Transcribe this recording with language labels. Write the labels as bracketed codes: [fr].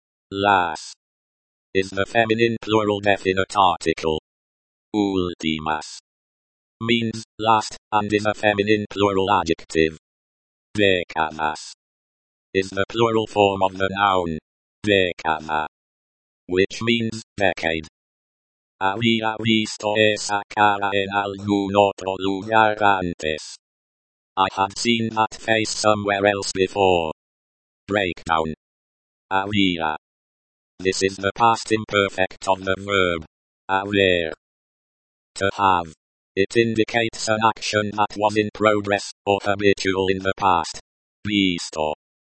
[en] Las is the feminine plural definite article. Últimas means last, and is a feminine plural adjective. Décadas is the plural form of the noun década, which means decade. [es] Había visto esa cara en algún otro lugar antes. [en] I had seen that face somewhere else before. Breakdown. Había. This is the past imperfect of the verb haber. To have. It indicates an action that was in progress, or habitual in the past. Visto.